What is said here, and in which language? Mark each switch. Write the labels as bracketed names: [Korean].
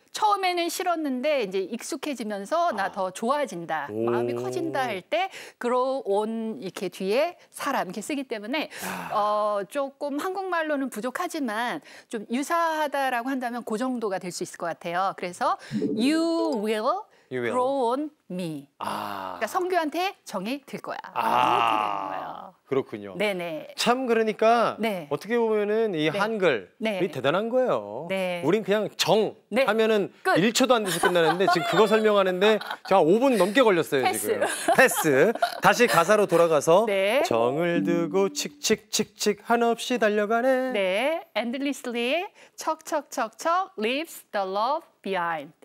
[Korean] 처음에는 싫었는데 이제 익숙해지면서 나 더 좋아진다. 오. 마음이 커진다 할 때 grow on 이렇게 뒤에 사람 이렇게 쓰기 때문에 조금 한국말로는 부족하지만 좀 유사하다라고 한다면 그 정도가 될 수 있을 것 같아요. [English] 그래서 you will grow on me. [Korean] 아. 그러니까 성규한테 정이 들 거야. 아. 그렇군요. 네네. 참 그러니까 네. 어떻게 보면은 이 네. 한글이 네. 대단한 거예요. 네. 우린 그냥 정 네. 하면은 끝. 1초도 안 돼서 끝나는데 지금 그거 설명하는데 제가 5분 넘게 걸렸어요. 패스. 지금. 패스. 다시 가사로 돌아가서 네. 정을 두고 칙칙칙칙 한없이 달려가네. 네. [English] Endlessly 척척척척 leaves the love behind.